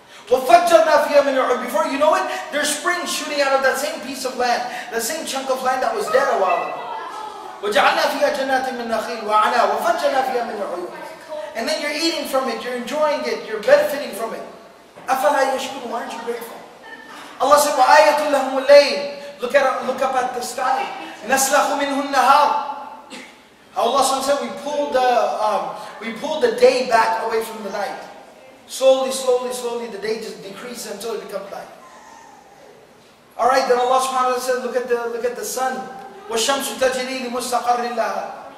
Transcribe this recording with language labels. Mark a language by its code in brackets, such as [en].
[ar] وَفَجَّرْنَا فِيهَا مِّن عُيُونٍ. [en] Before you know it, there's springs shooting out of that same piece of land. The same chunk of land that was dead a while ago. [ar] وَجَعَلْنَا فِيهَا جَنَّاتٍ مِّن نَخِيلٍ وَعَنَابٍ. وَفَجَّرْنَا فِيهَا مِّن عُيُونٍ. [en] And then you're eating from it, you're enjoying it, you're benefiting from it. [ar] أَفَلَا يَشْكُرُ. [en] Why aren't you grateful? Allah said, [ar] وَآيَةٌ لَهُمُ اللَّيْلِ. [en] Look up at the sky. [ar] نَسْلَخُ مِنْهُ النَّهَارِ. [en] Allah said, we pulled the day back away from the night. Slowly, slowly, slowly, the day just decreases until it becomes light. Alright, then Allah subhanahu wa ta'ala said, look at the sun. [ar] وَالشَّمْسُ تَجْرِي لِمُسْتَقَرٍ لَهَا.